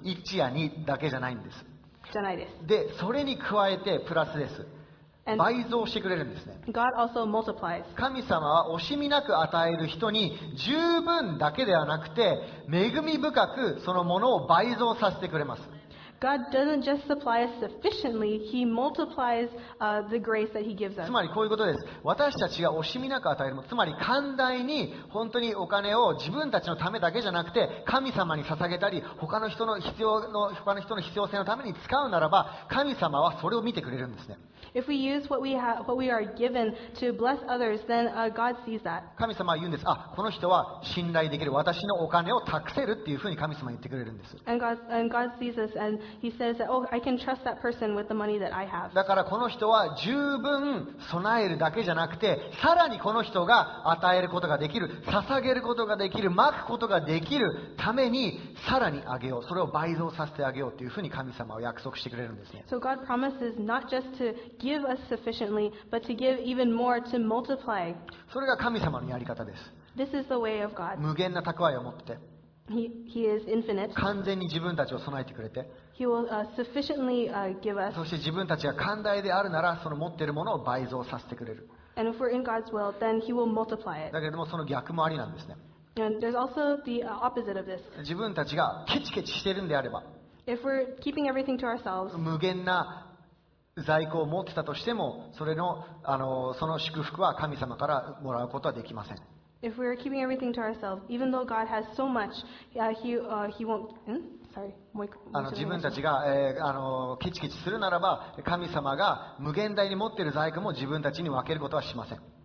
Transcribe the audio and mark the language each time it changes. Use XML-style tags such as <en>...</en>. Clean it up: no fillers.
<ja>一や二だけじゃないんです。じゃないです。で、それに加えてプラスです。倍増してくれるんですね。</ja> <en>God also multiplies.</en> <ja>神様は惜しみなく与える人に十分だけではなくて、恵み深くそのものを倍増させてくれます。</ja> <en>God doesn't just supply us sufficiently, He multiplies the grace that He gives us.</en> <ja>つまりこういうことです。私たちが惜しみなく与えるも、つまり寛大に本当にお金を自分たちのためだけじゃなくて、神様に捧げたり、他の人の必要性のために使うならば、神様はそれを見てくれるんですね。</ja> <en>If we use what we are given to bless others, then God sees that.</en> <ja>神様は言うんです。あ、この人は信頼できる。私のお金を託せるっていうふうに神様は言ってくれるんです。</ja> <en>And God sees this, and He says that, oh, I can trust that person with the money that I have.</en> <ja>だからこの人は十分備えるだけじゃなくて、さらにこの人が与えることができる、捧げることができる、まくことができるためにさらにあげよう。それを倍増させてあげようっていうふうに神様は約束してくれるんですね。</ja> <en>So God promises not just to give us sufficiently, but to give even more to multiply.</en> <ja>それが神様のやり方です。</ja> <en>This is the way of God.</en> <ja>無限な蓄えを持ってて、</ja> <en>He is infinite.</en> <ja>完全に自分たちを備えてくれて、</ja> <en>He will sufficiently give us.</en> <ja>そして自分たちが寛大であるなら、その持っているものを倍増させてくれる。</ja> <en>And if we're in God's will, then He will multiply it.</en> <ja>だけれどもその逆もありなんですね。</ja> <en>And there's also the opposite of this.</en> <ja>自分たちがケチケチしているんであれば、</ja> <en>If we're keeping everything to ourselves,</en> <ja>無限な在庫を持ってたとしても、その祝福は神様からもらうことはできません。</ja> <en>If we are keeping everything to ourselves, even though God has so much, he won't. Sorry.</en> <ja>自分たちが、ケチケチするならば、神様が無限大に持っている財庫も自分たちに分けることはしません。</ja>